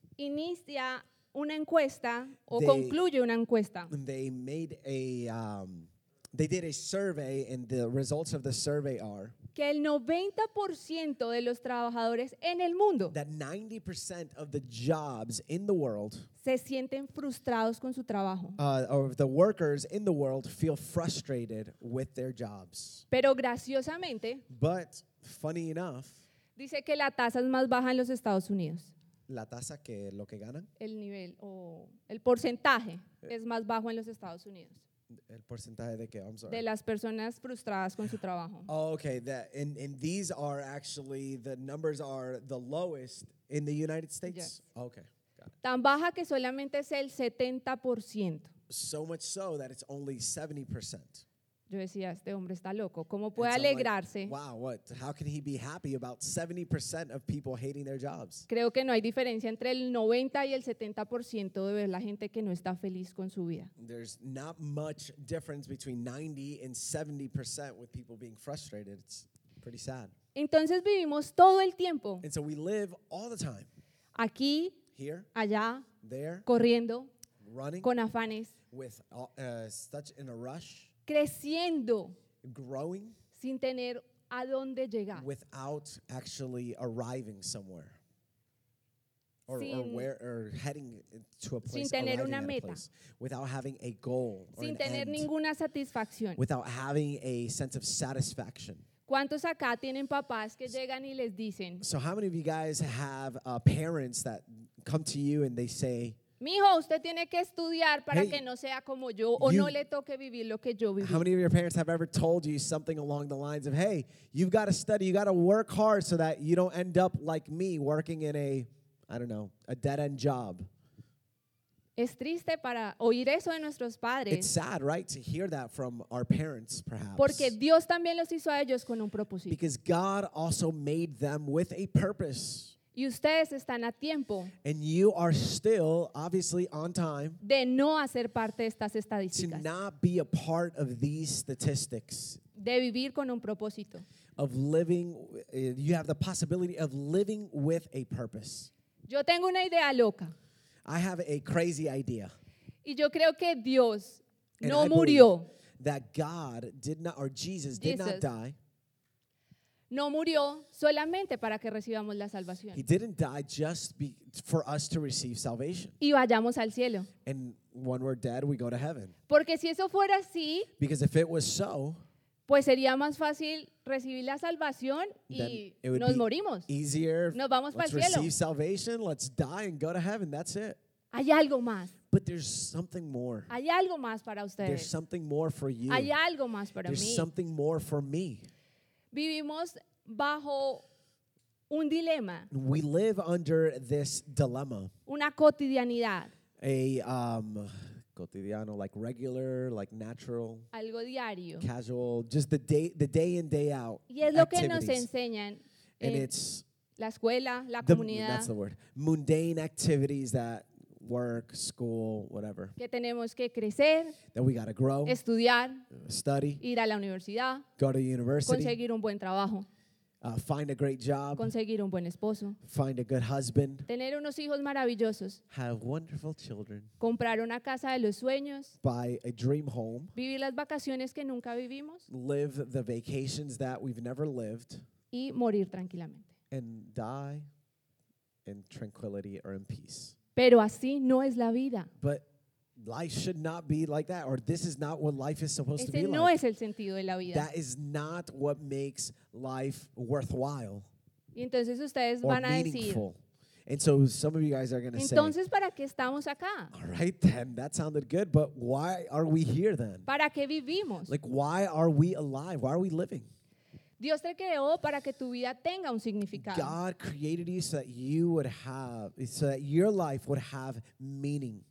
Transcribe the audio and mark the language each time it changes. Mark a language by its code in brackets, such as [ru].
[es] inicia una encuesta o concluye una encuesta. [en] They made a they did a survey and the results of the survey are [es] que el 90% de los trabajadores en el mundo [en] that 90% of the jobs in the world [es] se sienten frustrados con su trabajo. [en] Or the workers in the world feel frustrated with their jobs. [es] Pero graciosamente, [en] but funny enough, [es] dice que la tasa es más baja en los Estados Unidos. La tasa que lo que ganan. El nivel o el porcentaje es más bajo en los Estados Unidos. El porcentaje de qué? [en] I'm sorry. [es] De las personas frustradas con su trabajo. [en] Oh, okay, that and these are actually the numbers are the lowest in the United States. Yes. Okay. [es] Tan baja que solamente es el 70%. [en] So much so that it's only 70%. [es] Yo decía, este hombre está loco. ¿Cómo puede alegrarse? [en] Like, wow, what? How can he be happy about 70% of people hating their jobs? [es] Creo que no hay diferencia entre el 90 y el 70% de ver la gente que no está feliz con su vida. [en] There's not much difference between 90 and 70% with people being frustrated. It's pretty sad. [es] Entonces vivimos todo el tiempo. [en] And so we live all the time. [es] Aquí, [en] here, [es] allá, [en] there, [es] corriendo, [en] running, [es] con afanes, [en] with such in a rush. [es] Creciendo, [en] growing, [es] sin tener a dónde llegar, [en] without actually arriving somewhere, or heading to a place, [es] sin tener una meta, [en] without having a goal, [es] sin tener ninguna satisfacción, [en] without having a sense of satisfaction. [es] ¿Cuántos acá tienen papás que llegan y les dicen? [en] So how many of you guys have parents that come to you and they say, [es] mijo, usted tiene que estudiar para que no sea como yo o no le toque vivir lo que yo viví. [en] How many of your parents have ever told you something along the lines of, hey, you've got to study, you got to work hard so that you don't end up like me working in a, I don't know, a dead-end job? [es] Es triste para oír eso de nuestros padres. [en] It's sad, right, to hear that from our parents, perhaps. [es] Porque Dios también los hizo a ellos con un propósito. [en] Because God also made them with a purpose. [es] Y ustedes están a tiempo. [en] And you are still obviously on time. [es] De no hacer parte de estas estadísticas. [en] To not be a part of these statistics. [es] De vivir con un propósito. [en] Of living, you have the possibility of living with a purpose. [es] Yo tengo una idea loca. [en] I have a crazy idea. [es] Y yo creo que Dios [en] and [es] no [en] I [es] murió. [en] That God did not, or Jesus did not die. [es] No murió solamente para que recibamos la salvación. [en] He didn't die just for us to receive salvation. [es] Y vayamos al cielo. [en] And when we're dead, we go to heaven. [es] Porque si eso fuera así, [en] because if it was so, [es] pues sería más fácil recibir la salvación y nos morimos. [en] Easier. [es] Nos vamos para el cielo. [en] Let's receive salvation, let's die and go to heaven. That's it. [es] Hay algo más. [en] But there's something more. [es] Hay algo más para ustedes. [en] There's something more for you. [es] Hay algo más para [en] there's [es] mí. [en] Something more for me. [es] Vivimos bajo un dilema. [en] We live under this dilemma. [es] Una cotidianidad. [en] A cotidiano, like regular, like natural. [es] Algo diario. [en] Casual, just the day in, day out. [es] Y es lo que nos enseñan. [en] And it's [es] la escuela, la comunidad. [en] That's the word. Mundane activities that work, school, whatever. [es] Que tenemos que crecer. [en] That we gotta grow. [es] Estudiar. [en] Study. [es] Ir a la universidad. [en] Go to university. [es] Conseguir un buen trabajo. [en] Find a great job. [es] Conseguir un buen esposo. [en] Find a good husband. [es] Tener unos hijos maravillosos. [en] Have wonderful children. [es] Comprar una casa de los sueños. [en] Buy a dream home. [es] Vivir las vacaciones que nunca vivimos. [en] Live the vacations that we've never lived. [es] Y morir tranquilamente. [en] And die in tranquility or in peace. [es] Pero así no es la vida. [en] But life should not be like that, or this is not what life is supposed [es] ese [en] to be [es] no [en] like. [es] Es el sentido de la vida. [en] That is not what makes life worthwhile. [es] Y entonces ustedes van a [en] meaningful. [es] Decir, [en] and so some of you guys are going to say, [es] entonces, ¿para qué estamos acá? [en] All right, then, that sounded good, but why are we here then? [es] ¿Para qué vivimos? [en] Like, why are we alive? Why are we living? [es] Dios te creó para que tu vida tenga un significado. [en] God created you so that you would have, so that your life would have meaning.